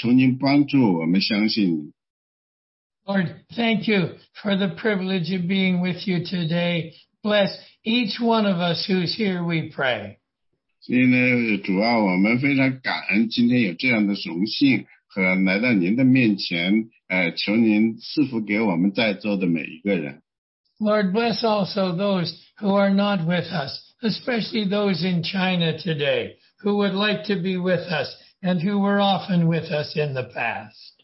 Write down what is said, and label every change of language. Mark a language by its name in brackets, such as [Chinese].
[Chinese] 主啊，您就说您选择我们，你要与我们同在，只要我们相信您。如果我们相信您的话呢，主所有的永恒的工作和伟大的神的工都会完成。主啊，求您帮助我们相信您。Lord, [English] thank you for the privilege of being with you today. Bless each one of us who's here, we pray. [Chinese] 所以呢，主啊，我们非常感恩今天有这样的荣幸。和来到您的面前，求您赐福给我们在座的每一个人。Lord, [English] bless also those who are not with us, especially those in China today, who would like to be with us and who were often with us in the past.